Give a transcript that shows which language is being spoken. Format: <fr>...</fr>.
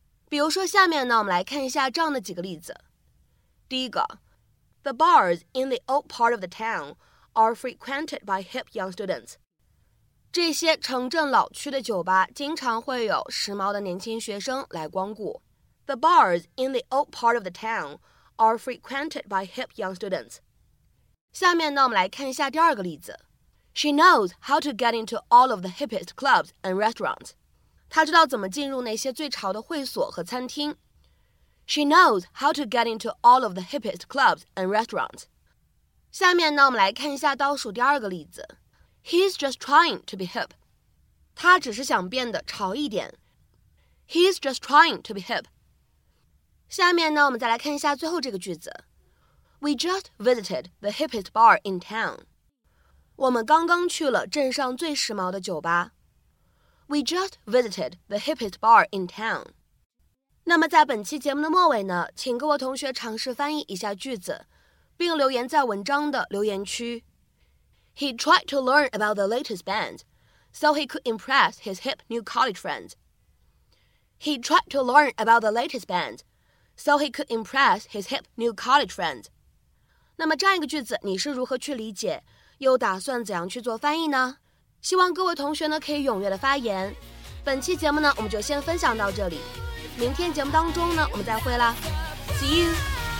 <zh>比如说下面呢，我们来看一下这样的几个例子。第一个。</zh> <en>The bars in the old part of the town are frequented by hip young students.</en> <zh>这些城镇老区的酒吧经常会有时髦的年轻学生来光顾。</zh> <en>The bars in the old part of the town are frequented by hip young students.</en> <zh>下面呢，我们来看一下第二个例子。</zh> <en>She knows how to get into all of the hippest clubs and restaurants.</en> <zh>她知道怎么进入那些最潮的会所和餐厅。</zh> <en>She knows how to get into all of the hippest clubs and restaurants.</en> <zh>下面呢，我们来看一下倒数第二个例子。</zh> <en>He's just trying to be hip.</en> <zh>他只是想变得潮一点。</zh> <en>He's just trying to be hip.</en> <zh>下面呢，我们再来看一下最后这个句子。</zh> <en>We just visited the hippest bar in town.</en> <zh>我们刚刚去了镇上最时髦的酒吧。</zh> <en>We just visited the hippest bar in town.</en> <zh>那么在本期节目的末尾呢，请各位同学尝试翻译一下句子，并留言在文章的留言区。</zh> <en>He tried to learn about the latest bands, so he could impress his hip new college friends. He tried to learn about the latest bands, so he could impress his hip new college friends.</en> <zh>那么这样一个句子你是如何去理解，又打算怎样去做翻译呢？希望各位同学呢可以踊跃的发言。本期节目呢，我们就先分享到这里。明天节目当中呢，我们再会啦 ，</zh> <en>See you。</en>